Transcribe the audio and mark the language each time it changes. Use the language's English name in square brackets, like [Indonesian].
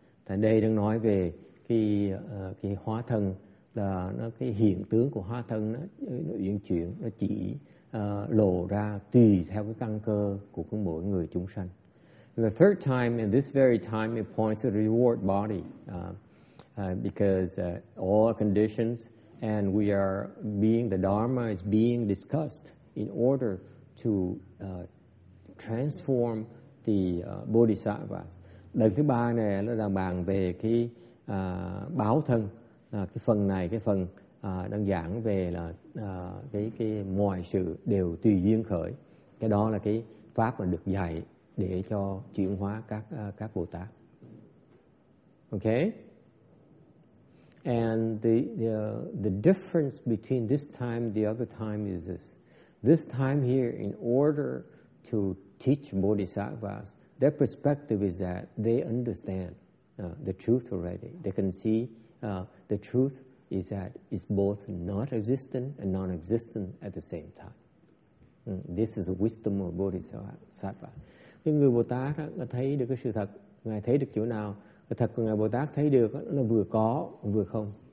[Vietnamese] Thành đây đang nói về cái hóa thân là nó cái hiện tướng của hóa thân nó uyển chuyển, nó chỉ lộ ra tùy theo cái căn cơ của mỗi người chúng sanh. [English] And the third time, in this very time, it points to the reward body, because all our conditions and we are being, the Dharma is being discussed in order to transform the Bodhisattvas. [Vietnamese] Lần thứ ba này nó đang bàn về cái báo thân, cái phần này, cái phần đang giảng về là cái mọi sự đều tùy duyên khởi. Cái đó là cái pháp mà được dạy để cho chuyển hóa các Bồ Tát. [English] Okay? And the difference between this time and the other time is this. This time here, in order to teach Bodhisattvas, their perspective is that they understand the truth already. They can see the truth is that it's both not existent and non-existent at the same time. This is the wisdom of Bodhisattva. [Vietnamese] Cái người Bồ Tát đó, thấy được cái sự thật, ngài thấy được chỗ nào, cái thật của ngài Bồ Tát thấy được đó, nó vừa có vừa không.